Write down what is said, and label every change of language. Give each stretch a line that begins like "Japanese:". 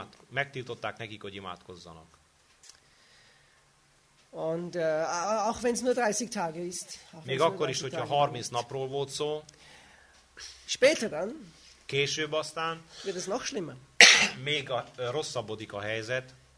Hungarian: Megtiltották nekik, hogy imádkozzanak.
German: Und auch wenn es nur 30 Tage ist.
Hungarian: Még akkor is, hogyha 30 napról volt szó.
German: Später dann.
Hungarian: Később aztán.
German: Wird es noch schlimmer.
Hungarian: Még rosszabbodik a helyzet.